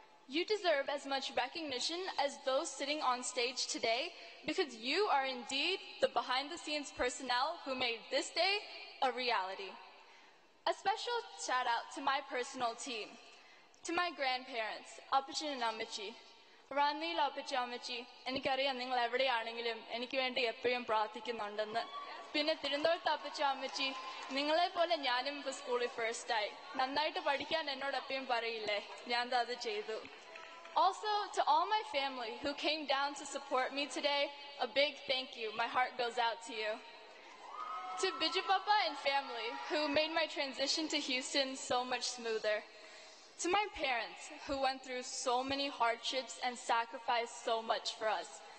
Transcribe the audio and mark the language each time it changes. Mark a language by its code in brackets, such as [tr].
[en] You deserve as much recognition as those sitting on stage today because you are indeed the behind-the-scenes personnel who made this day a reality. A special shout-out to my personal team, to my grandparents, Apichin and Amichi, [ml] Ranni ലോപ്പിച്ച അമ്മച്ചി, എനിക്കറിയാം നിങ്ങൾ എവിടെയാണെങ്കിലും എനിക്ക് വേണ്ടി എപ്പോഴും പ്രാർത്ഥിക്കുന്നുണ്ടെന്ന്. പിന്നെ തിരുന്തോട്ട് അപ്പച്ച അമ്മച്ചി, നിങ്ങളെ പോലെ ഞാനും ഇപ്പൊ സ്കൂളിൽ ഫസ്റ്റ് ആയി. നന്നായിട്ട് പഠിക്കാൻ എന്നോടൊപ്പം പറയില്ലേ, ഞാൻ അത് ചെയ്തു. [en] Also, to all my family who came down to support me today, a big thank you. My heart goes out to you. To Biju Papa and family who made my transition to Houston so much smoother. To my parents who went through so many hardships and sacrificed so much for us.